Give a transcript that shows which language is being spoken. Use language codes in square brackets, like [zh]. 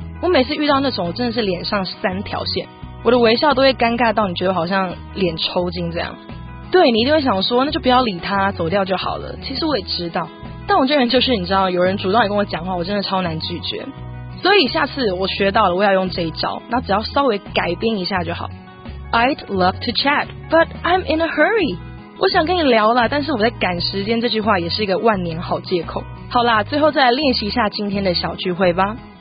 [zh] 我每次遇到那种，我真的是脸上三条线，我的微笑都会尴尬到你觉得好像脸抽筋这样。对，你一定会想说，那就不要理他，走掉就好了。其实我也知道，但我这人就是你知道，有人主动来跟我讲话，我真的超难拒绝。所以下次我学到了，我要用这一招。那只要稍微改变一下就好。 [en] I'd love to chat, but I'm in a hurry. [zh] 我想跟你聊了，但是我在赶时间。这句话也是一个万年好借口。好啦，最后再来练习一下今天的小聚会吧。